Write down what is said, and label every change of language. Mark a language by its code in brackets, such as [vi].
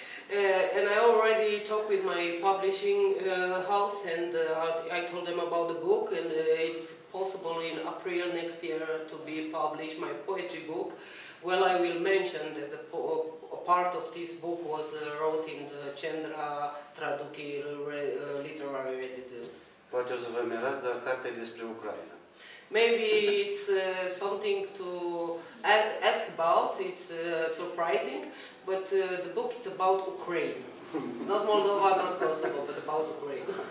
[en] And I already talked with my publishing house, and I told them about the book, and it's possible in April next year to be published my poetry book. Well, I will mention that the part of this book was wrote in the Qendra Traduki literary residence. [ro] Poate o să vă mirați, dar carte despre Ucraina. [en] Maybe it's something to ask about, it's surprising, but the book is about Ukraine. Not Moldova, not Kosovo, but about Ukraine.